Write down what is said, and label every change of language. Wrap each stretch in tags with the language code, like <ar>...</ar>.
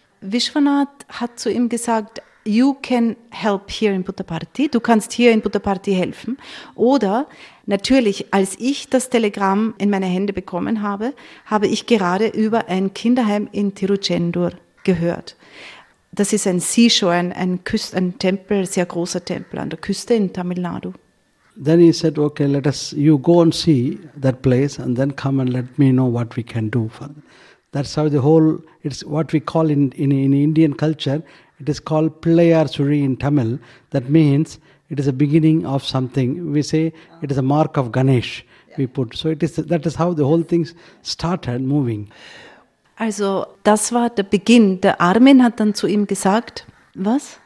<de>Vishwanath hat zu ihm gesagt,</de> <en>you can help here in Puttaparthi,</en> <de>du kannst hier in Puttaparthi helfen. Oder natürlich, als ich das Telegramm in meine Hände bekommen habe, habe ich gerade über ein Kinderheim in Tiruchendur gehört. Das ist ein Seashore, ein Tempel, sehr großer Tempel an der Küste in Tamil Nadu.</de> <en>Then he said, okay, let us, you go and see that place and then come and let me know what we can do for them. That's how the whole, it's what we call in Indian culture, it is called Pillayarsuri in Tamil. That means it is a beginning of something. We say it is a mark of Ganesh, yeah. We put. So it is, that is how the whole thing started moving.</en> <de>Also, das war der Beginn. Der Armin hat dann zu ihm gesagt, was?</de>